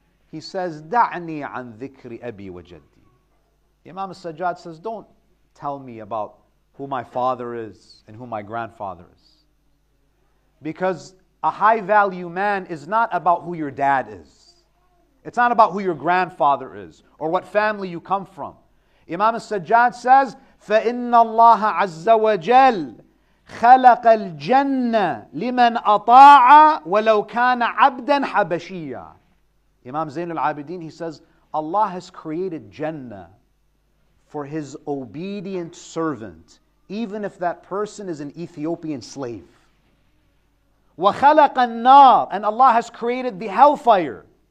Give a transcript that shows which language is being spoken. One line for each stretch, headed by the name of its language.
English: He says,
Arabic: Da'ni an dhikri abi wa jaddi.
English: Imam Sajjad says, don't tell me about who my father is and who my grandfather is. Because a high value man is not about who your dad is. It's not about who your grandfather is or what family you come from. Imam Sajjad says,
Arabic: فَإِنَّ اللَّهَ عَزَّ وَجَلْ خَلَقَ الْجَنَّةِ لِمَنْ أَطَاعَ وَلَوْ كَانَ عَبْدًا حَبَشِيًّا.
English: Imam Zainul Abidin, he says, Allah has created Jannah for His obedient servant, even if that person is an Ethiopian slave.
Arabic: وَخَلَقَ النَّارِ.
English: And Allah has created the hellfire.